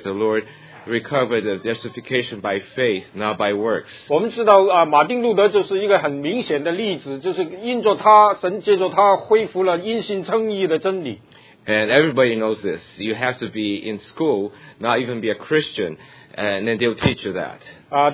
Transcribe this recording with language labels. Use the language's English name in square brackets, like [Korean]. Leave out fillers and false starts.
[English] The Lord recovered the justification by faith, not by works. [Chinese] 我们知道马丁路德就是一个很明显的例子，就是因着他神借助他恢复了因信称义的真理。 [English] And everybody knows this. You have to be in school, not even be a Christian, and then they'll teach you that.